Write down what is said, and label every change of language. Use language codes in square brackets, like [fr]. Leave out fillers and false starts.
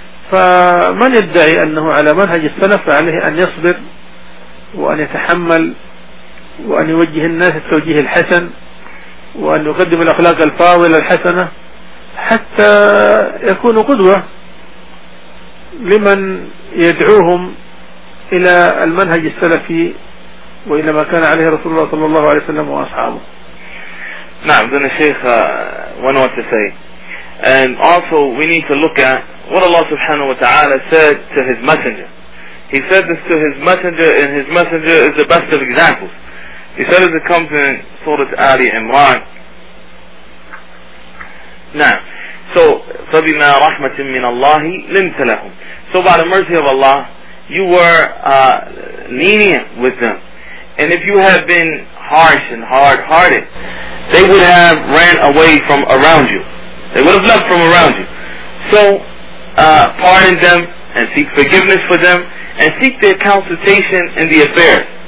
[ar] فمن يدعي أنه على منهج السلف فعليه أن يصبر وأن يتحمل وأن يوجه الناس التوجيه الحسن وأن يقدم الأخلاق الفاضلة الحسنة حتى يكون قدوة لمن يدعوهم إلى المنهج السلفي وإلى ما كان عليه رسول الله صلى الله عليه وسلم وأصحابه. نعم. ذن الشيخ [en] went on to say And also we need to look at what Allah subhanahu wa ta'ala said to his messenger. He said this to his messenger, and his messenger is the best of examples. He said as it comes in Surah Ali Imran. Now, so [ar] فَبِمَا رَحْمَةٍ مِّنَ اللَّهِ لِنْتَ لَهُمْ. [en] So by the mercy of Allah, you were lenient with them. And if you had been harsh and hard-hearted, they would have ran away from around you. They would have left from around you. So, pardon them and seek forgiveness for them and seek their consultation in the affair.